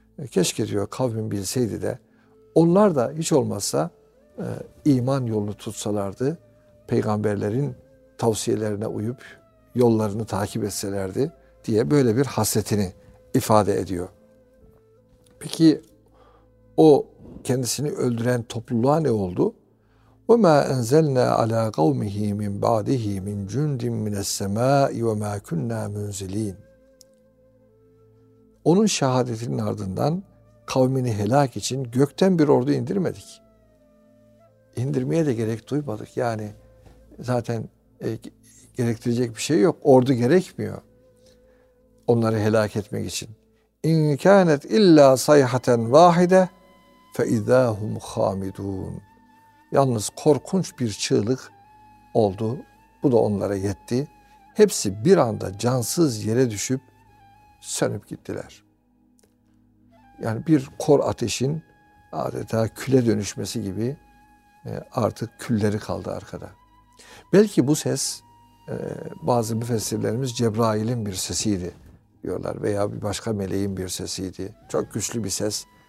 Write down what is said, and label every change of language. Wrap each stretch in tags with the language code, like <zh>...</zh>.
<tr>Keşke diyor kavmin bilseydi de onlar da hiç olmazsa iman yolunu tutsalardı, peygamberlerin tavsiyelerine uyup yollarını takip etselerdi diye böyle bir hasretini ifade ediyor. Peki o kendisini öldüren topluluğa ne oldu?</tr> <ar>وَمَا أَنْزَلْنَا عَلَى قَوْمِهِ مِنْ بَعْدِهِ مِنْ جُنْدٍ مِنَ السَّمَاءِ وَمَا كُنَّا مُنْزِلِينَ</ar> <tr>Onun şehadetinin ardından kavmini helak için gökten bir ordu indirmedik. İndirmeye de gerek duymadık. Yani zaten gerektirecek bir şey yok. Ordu gerekmiyor onları helak etmek için.</tr> <ar>اِنْ كَانَتْ اِلَّا سَيْحَةً وَاحِدَةً فَاِذَا هُمْ خَامِدُونَ</ar> <tr>Yalnız korkunç bir çığlık oldu. Bu da onlara yetti. Hepsi bir anda cansız yere düşüp sönüp gittiler. Yani bir kor ateşin adeta küle dönüşmesi gibi artık külleri kaldı arkada. Belki bu ses bazı müfessirlerimiz Cebrail'in bir sesiydi diyorlar veya bir başka meleğin bir sesiydi. Çok güçlü bir ses.</tr>